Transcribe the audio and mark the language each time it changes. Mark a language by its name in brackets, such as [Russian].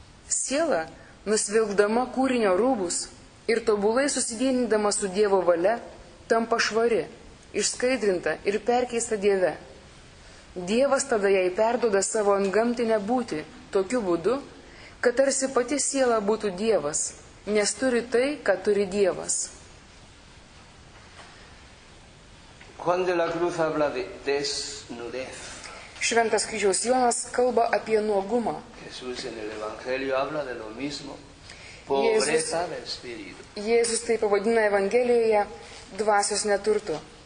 [Lithuanian] Siela, nusvilkdama kūrinio rūbus ir tobulai susivienindama su Dievo valia, tampa švari, išskaidrinta ir perkeista Dieve. Dievas tada jai perduoda savo antgamtinę būtį tokiu būdu, kad tarsi pati siela būtų Dievas, nes turi tai, ką turi Dievas. [Spanish] Juan de la Cruz habla de desnudez. [Lithuanian] Šventas kryžiaus Jonas kalba apie nuogumą. [Spanish] Jesús en el Evangelio habla de lo mismo, pobreza del espíritu. [Lithuanian] Jėzus taip pavadina Evangelijoje dvasios neturtu.